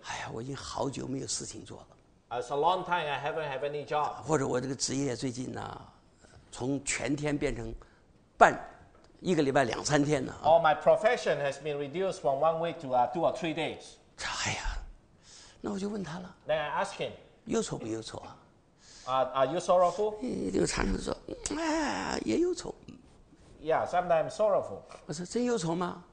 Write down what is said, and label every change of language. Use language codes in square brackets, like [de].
[zh] 哎呀我已经好久没有事情做了 [en] It's a long time I haven't have any job. [zh] 或者我这个职业最近呢，从全天变成半一个礼拜两三天呢。 [en] Or my profession has been reduced from one week to two or three days. [zh] 哎呀，那我就问他了。 [en] Then I ask him. [zh] 忧愁不忧愁啊？ [en] Are you sorrowful? [zh] 一定常常说，哎，也忧愁。 [en] Yeah, sometimes sorrowful. [zh] 我说真忧愁吗